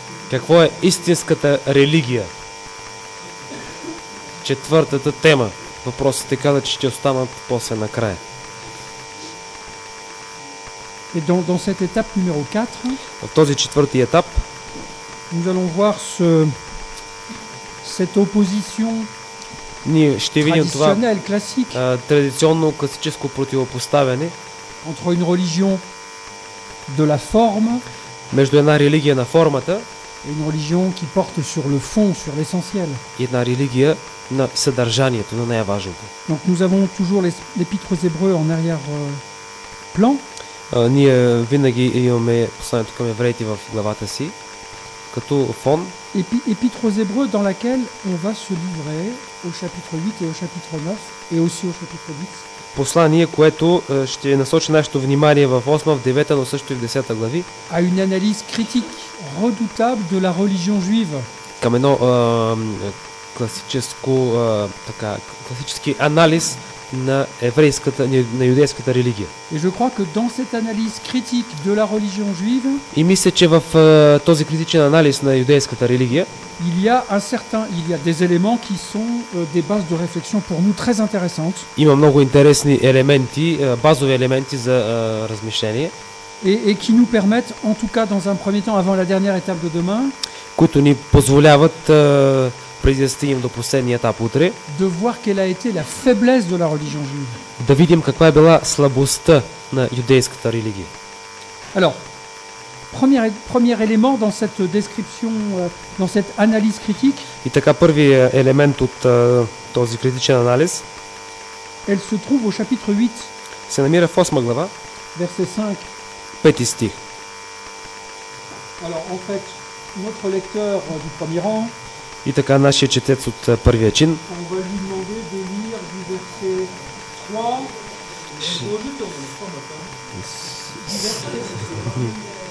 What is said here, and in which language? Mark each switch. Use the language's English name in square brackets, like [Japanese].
[Bulgarian] Какво е истинската религия? Четвъртата тема. Въпросът е каза, че ще останат после накрая. [French] Et dans cette étape numéro 4, [Bulgarian] в този четвърти етап, [French] nous allons voir cette opposition. [Bulgarian] Ние ще видим това традиционно класическо противопоставяне [French] entre une religion de la forme, [Bulgarian] между една религия на формата [French] et une religion qui porte sur le fond, sur l'essentiel. [Bulgarian] И една религия на съдържанието, на най-важното. [French] Donc nous avons toujours l'épître aux Hébreux en arrière-plan. [Bulgarian] Ние винаги имаме посланието към евреите в главата си като фон. [French] Épître aux Hébreux dans laquelle on va se livrer au chapitre 8 et au chapitre 9 et aussi au chapitre 10. [Bulgarian] Послание, което ще насочи нашето внимание в 8, в 9, но също и в 10 глави. [French] À une analyse critique redoutable de la religion juive. [Bulgarian] Към едно класически анализ на еврейската, на юдейската религия. [French] Et je crois que dans cette analyse critique de la religion juive, [Bulgarian] и мисля, че в този критичен анализ на юдейската религия, [French] il y a des éléments qui sont des bases de réflexion pour nous très intéressantes. [Bulgarian] Има много интересни елементи, базови елементи за размишление. [French] Et qui nous permettent en tout cas dans un premier temps avant la dernière étape de demain, [Bulgarian] които ни позволяват преди да стигнем до последния етап утре, [French] de voir quelle a été la faiblesse de la religion juive. [Bulgarian] Да видим каква е била слабостта на юдейската религия. [French] Alors, premier élément dans cette description, dans cette analyse critique. [Bulgarian] И така първият елемент от този критичен анализ. [French] Elle se trouve au chapitre 8. [Bulgarian] Се намира в 8 глава. [French] Verset 5. [Bulgarian] Пети стих. [French] Alors, en fait, notre lecteur du premier rang. [Bulgarian] И така нашия четец от първия чин. [French] On va lui demander de lire du verset 3.